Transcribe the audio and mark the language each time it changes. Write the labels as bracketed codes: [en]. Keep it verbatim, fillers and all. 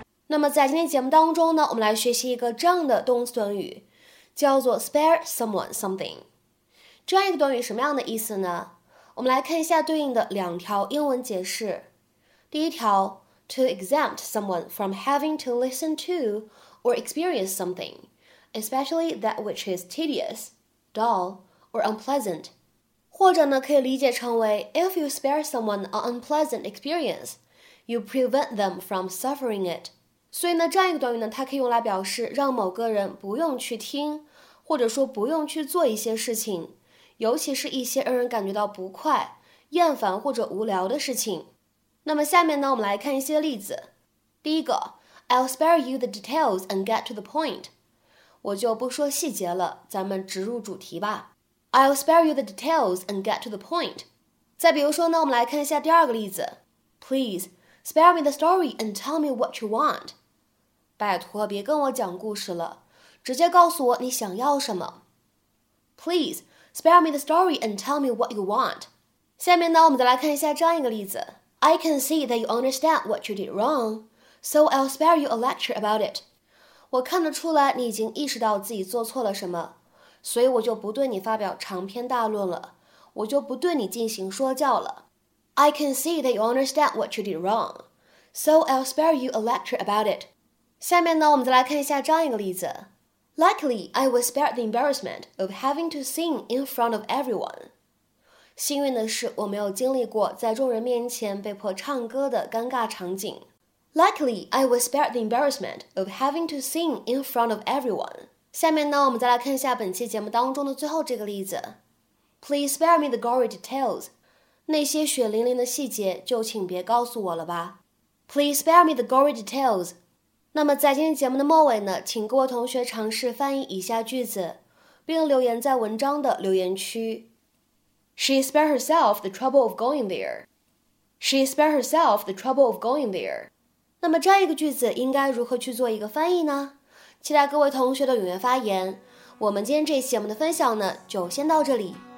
[zh] 那么在今天节目当中呢，我们来学习一个这样的动词短语。叫做 [en] spare someone something， [zh] 这样一个短语什么样的意思呢？我们来看一下对应的两条英文解释。第一条 [en] ，to exempt someone from having to listen to or experience something, especially that which is tedious, dull, or unpleasant。 [zh] 或者呢，可以理解成为 [en] if you spare someone an unpleasant experience, you prevent them from suffering it。 [zh] 所以呢，这样一个短语呢，它可以用来表示让某个人不用去听，或者说不用去做一些事情，尤其是一些让人感觉到不快、厌烦或者无聊的事情。那么下面呢，我们来看一些例子。第一个 [en] I'll spare you the details and get to the point. [zh] 我就不说细节了，咱们直入主题吧。 [en] I'll spare you the details and get to the point. [zh] 再比如说呢，我们来看一下第二个例子。 [en] Please, spare me the story and tell me what you want. [zh] 拜托，别跟我讲故事了，直接告诉我你想要什么。 [en] Please, spare me the story and tell me what you want. [zh] 下面呢，我们再来看一下这样一个例子。 [en] I can see that you understand what you did wrong, so I'll spare you a lecture about it. [zh] 我看得出来你已经意识到自己做错了什么，所以我就不对你发表长篇大论了，我就不对你进行说教了。 [en] I can see that you understand what you did wrong, so I'll spare you a lecture about it. [zh] 下面呢，我们再来看一下这样一个例子。 [en] Luckily, I was spared the embarrassment of having to sing in front of everyone. [zh] 幸运的是，我没有经历过在众人面前被迫唱歌的尴尬场景。 [en] Luckily, I was spared the embarrassment of having to sing in front of everyone. [zh] 下面呢，我们再来看一下本期节目当中的最后这个例子。 [en] Please spare me the gory details. [zh] 那些血淋淋的细节就请别告诉我了吧。 [en] Please spare me the gory details. [zh] 那么在今天节目的末尾呢，请各位同学尝试翻译以下句子，并留言在文章的留言区。 [en] She spared herself the trouble of going there. She spared herself the trouble of going there. [zh] 那么这样一个句子应该如何去做一个翻译呢？期待各位同学的踊跃发言。我们今天这期节目的分享呢，就先到这里。